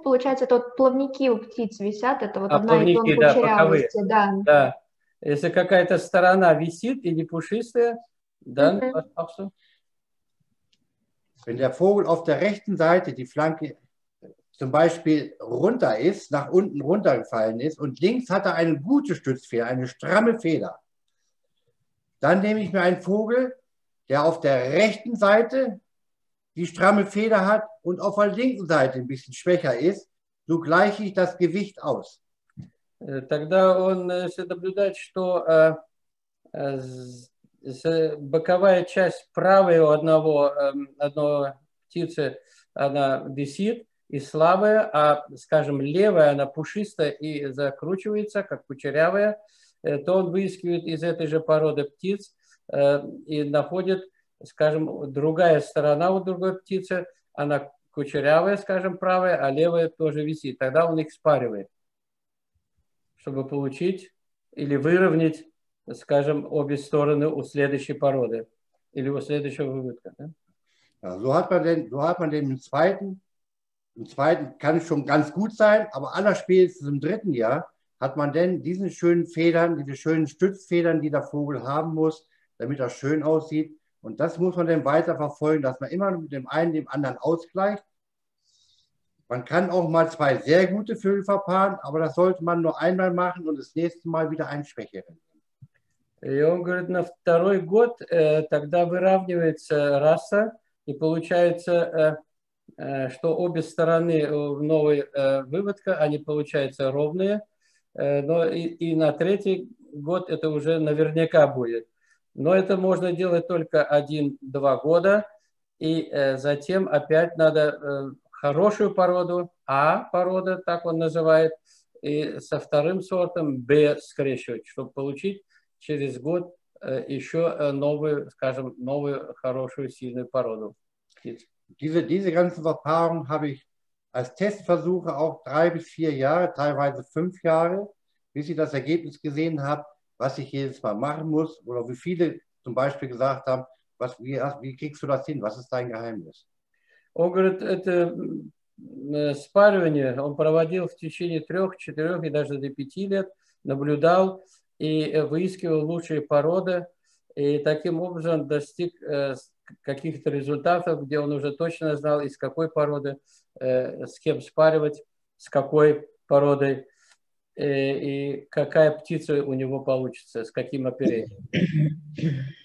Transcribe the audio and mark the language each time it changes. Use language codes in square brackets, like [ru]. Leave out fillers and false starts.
[ru] Получается, это вот плавники у птиц висят, это вот одна и тонкая кучерявость. Да. Если какая-то сторона висит и не пушистая, да, пожалуйста. [de] Wenn der Vogel auf der rechten Seite die Flanke zum Beispiel runter ist, nach unten runtergefallen ist und links hat eine gute Stützfeder, eine stramme Feder, dann nehme ich mir einen Vogel, der auf der rechten Seite die stramme Feder hat und auf der linken Seite ein bisschen schwächer ist, so gleiche ich das Gewicht aus. [ru] Тогда он наблюдает, что боковая часть правой у одного птицы она висит, и слабая, а, скажем, левая, она пушистая и закручивается, как кучерявая, то он выискивает из этой же породы птиц и находит, скажем, другая сторона у другой птицы, она кучерявая, скажем, правая, а левая тоже висит. Тогда он их спаривает, чтобы получить или выровнять, скажем, обе стороны у следующей породы или у следующего выводка. Да? [de] Ja, so hat man den im zweiten, kann es schon ganz gut sein, aber allerspätestens im dritten Jahr hat man denn diese schönen Federn, diese schönen Stützfedern, die der Vogel haben muss, damit er schön aussieht. Und das muss man dann weiter verfolgen, dass man immer mit dem einen dem anderen ausgleicht. Man kann auch mal zwei sehr gute Vögel verpaaren, aber das sollte man nur einmal machen und das nächste Mal wieder einen schwächeren. [ru] И он говорит, на второй год тогда выравнивается раса, и получается, что обе стороны в новой выводке, они получаются ровные, но и на третий год это уже наверняка будет. Но это можно делать только 1-2 года, и затем опять надо хорошую породу, А-порода, так он называет, и со вторым сортом Б скрещивать, чтобы получить через год еще новую, скажем, новую хорошую сильную породу. [de] Diese ganzen Verpaarungen habe ich als Testversuche auch 3-4 Jahre, teilweise 5 Jahre, bis ich das Ergebnis gesehen habe, was ich jedes Mal machen muss oder wie viele zum Beispiel gesagt haben, wie kriegst du das hin, was ist dein Geheimnis? [ru] Он говорит, это спаривание он проводил в течение 3-4 и даже до 5 лет, наблюдал и выискивал лучшие породы, и таким образом достиг каких-то результатов, где он уже точно знал, из какой породы, с кем спаривать, с какой породой, и какая птица у него получится, с каким оперением.